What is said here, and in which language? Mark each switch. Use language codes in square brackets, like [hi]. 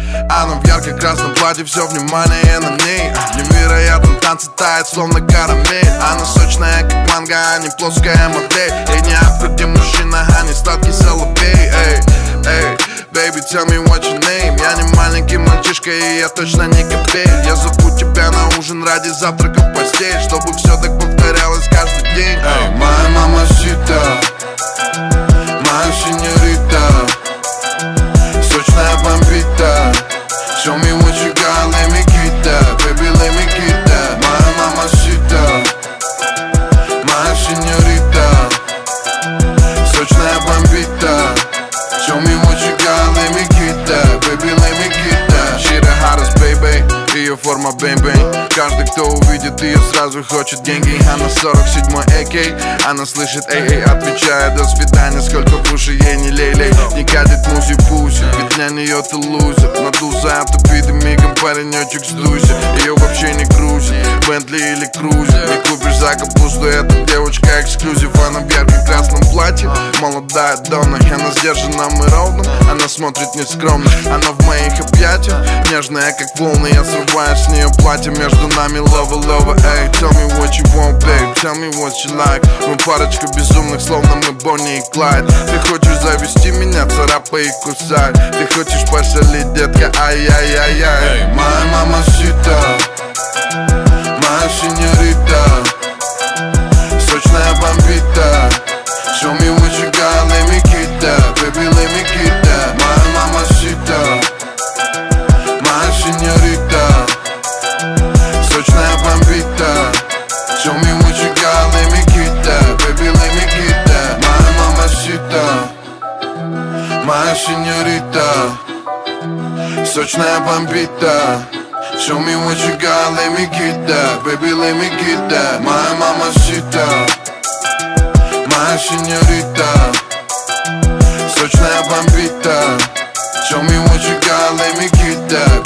[ru] Она в ярко-красном платье, все внимание на ней. Невероятно танцы тает, словно карамель. Она сочная, как манга, а не плоская модель. Эй, не автор, где мужчина, а не сладкий салопей. [en] Эй, эй, baby, tell me what your name. [ru] Я не маленький мальчишка, и я точно не капель. Я зову тебя на ужин ради завтрака в постель, чтобы все так повторялось каждый день. Эй, моя мамасита, моя синьорита, сочная бомбита. [en] Show me what you got, let me get that. Baby, let me get that. My mamacita, my señorita, [ru] сочная бомбита. [en] Show me what you got, let me get that. Baby, let me get that. She the hottest, baby. [ru] Ее форма бэм-бэм. Каждый, кто увидит ее, сразу хочет деньги. Она 47-й AK. Она слышит эй-эй, отвечает до свидания. Сколько в уши ей не лей-лей. Не катит музи-пуси, ведь для нее ты лузер. Надулся автопидом, мигом паренечек сдуйся. Ее вообще не грузит, Бентли или Крузи. Не купишь за капусту, эта девочка эксклюзив. Она в ярко-красном платье, молодая Донна. Она сдержана, мы ровно, она смотрит нескромно. Она в моих объятиях, нежная, как волны. Я срываешь с нее платье, между нами лова-лова. Эй, [en] tell me what you want, babe, tell me what you like. [ru] Мы парочка безумных, словно мы Бонни и Клайд. Ты хочешь завести меня, царапай и кусай. Ты хочешь пошалить, детка, ай-яй-яй-яй. Эй, моя мамасита, моя синьорита, сочная бомбита. [en] Show me what you got, let me get that. Baby, let me get that. [ru] Моя мамасита, моя синьорита, сочная бомбита. [en] Show me what you got, let me get that. Baby, let me get that. [ru] Моя мамасита, моя синьорита, сочная бомбита. [en] Show me what you got, let me get that. Baby, let me get that. [ru] Моя мамасита, моя синьорита, сочная бомбита. [en] Show me what you got, let me get that.